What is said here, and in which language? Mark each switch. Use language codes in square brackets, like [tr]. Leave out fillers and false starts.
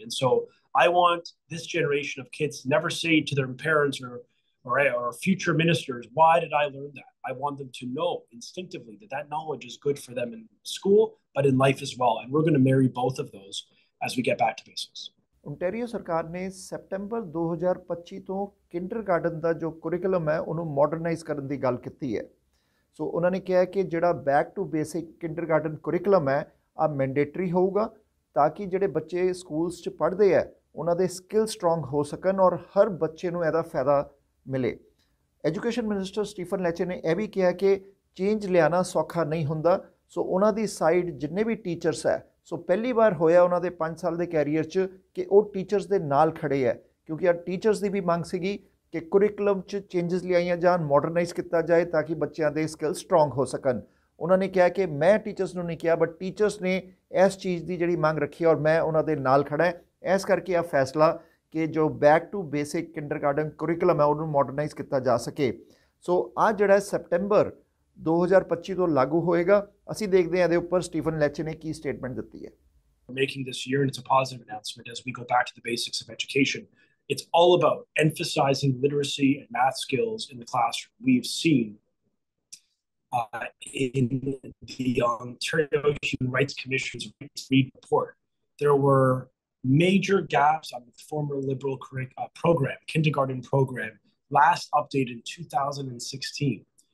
[en] And so I want this generation of kids to never say to their parents or future ministers, why did I learn that? I want them to know instinctively that that knowledge is good for them in school, but in life as well. And we're going to marry both of those as we get back to basics. [pa] Ontario ਸਰਕਾਰ ਨੇ September 2025 ਤੋਂ ਕਿੰਡਰਗਾਰਡਨ ਦਾ ਜੋ curriculum ਹੈ ਉਹਨੂੰ modernise ਕਰਨ ਦੀ ਗੱਲ ਕੀਤੀ ਹੈ। ਸੋ ਉਹਨਾਂ ਨੇ ਕਿਹਾ ਕਿ ਜਿਹੜਾ ਬੈਕ ਟੂ ਬੇਸਿਕ ਕਿੰਡਰਗਾਰਡਨ ਕਰਿਕੂਲਮ ਹੈ ਆ ਮੈਂਡੇਟਰੀ ਹੋਊਗਾ, ਤਾਂ ਕਿ ਜਿਹੜੇ ਬੱਚੇ ਸਕੂਲਸ 'ਚ ਪੜ੍ਹਦੇ ਹੈ ਉਹਨਾਂ ਦੇ ਸਕਿੱਲ ਸਟਰੋਂਗ ਹੋ ਸਕਣ ਔਰ ਹਰ ਬੱਚੇ ਨੂੰ ਇਹਦਾ ਫਾਇਦਾ ਮਿਲੇ। ਐਜੂਕੇਸ਼ਨ ਮਿਨਿਸਟਰ ਸਟੀਫਨ ਲੈਚੇ ਨੇ ਇਹ ਵੀ ਕਿਹਾ ਕਿ ਚੇਂਜ ਲਿਆਉਣਾ ਸੌਖਾ ਨਹੀਂ ਹੁੰਦਾ, ਸੋ ਉਹਨਾਂ ਦੀ ਸਾਈਡ ਜਿੰਨੇ ਵੀ ਟੀਚਰਸ ਹੈ, ਸੋ ਪਹਿਲੀ ਵਾਰ ਹੋਇਆ ਉਹਨਾਂ ਦੇ 5 ਸਾਲ ਦੇ ਕੈਰੀਅਰ 'ਚ ਕਿ ਉਹ ਟੀਚਰਸ ਦੇ ਨਾਲ ਖੜੇ ਹੈ, ਕਿਉਂਕਿ ਆ ਟੀਚਰਸ ਦੀ ਵੀ ਮੰਗ ਸੀਗੀ ਕਿ ਕਰਿਕੂਲਮ 'ਚ ਚੇਂਜਸ ਲਿਆਈਆਂ ਜਾਣ, ਮਾਡਰਨਾਈਜ਼ ਕੀਤਾ ਜਾਏ ਤਾਂ ਕਿ ਬੱਚਿਆਂ ਦੇ ਸਕਿੱਲ ਸਟਰੋਂਗ ਹੋ ਸਕਣ। ਉਹਨਾਂ ਨੇ ਕਿਹਾ ਕਿ ਮੈਂ ਟੀਚਰਸ ਨੂੰ ਨਹੀਂ ਕਿਹਾ, ਬਟ ਟੀਚਰਸ ਨੇ ਇਸ ਚੀਜ਼ ਦੀ ਜਿਹੜੀ ਮੰਗ ਰੱਖੀ ਔਰ ਮੈਂ ਉਹਨਾਂ ਦੇ ਨਾਲ ਖੜਾ ਹੈ, ਇਸ ਕਰਕੇ ਆ ਫੈਸਲਾ ਕਿ ਜੋ ਬੈਕ ਟੂ ਬੇਸਿਕ ਕਿੰਡਰਗਾਰਡਨ ਕਰਿਕੂਲਮ ਹੈ ਉਹਨੂੰ ਮਾਡਰਨਾਈਜ਼ ਕੀਤਾ ਜਾ ਸਕੇ। ਸੋ ਆ ਜਿਹੜਾ ਸੈਪਟੈਂਬਰ 2025 ਤੋਂ ਲਾਗੂ ਹੋਏਗਾ, ਅਸੀਂ ਦੇਖਦੇ ਹਾਂ ਇਹਦੇ ਉੱਪਰ ਸਟੀਫਨ ਲੈਚੇ ਨੇ ਕੀ ਸਟੇਟਮੈਂਟ ਦਿੱਤੀ ਹੈ। [en] Making this year, and it's a positive announcement as we go back to the basics of education. It's all about emphasizing literacy and math skills in the classroom. We've seen in the Ontario Human Rights Commission's Read report, there were major gaps on the former Liberal program, kindergarten program, last updated in 2016.